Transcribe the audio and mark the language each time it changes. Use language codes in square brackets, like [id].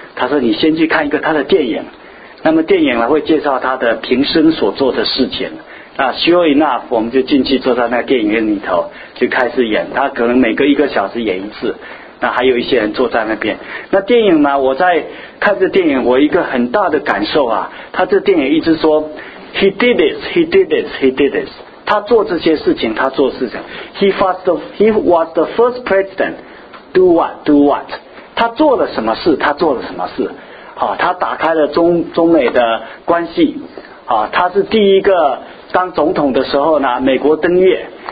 [zh] 他说：“你先去看一个他的电影，那么电影呢会介绍他的平生所做的事情。” 那 [en] sure enough， [zh] 我们就进去坐在那个电影院里头就开始演，他可能每隔一个小时演一次。那还有一些人坐在那边。那电影呢？我在看这电影，我一个很大的感受啊，他这电影一直说。 [en] He did this, he did this, he did this. [zh] 他做这些事情，他做事情。 [en] He was the first president. Do what, do what. [zh] 他做了什么事，他做了什么事。啊、他打开了中美的关系、啊。他是第一个当总统的时候呢，美国登月。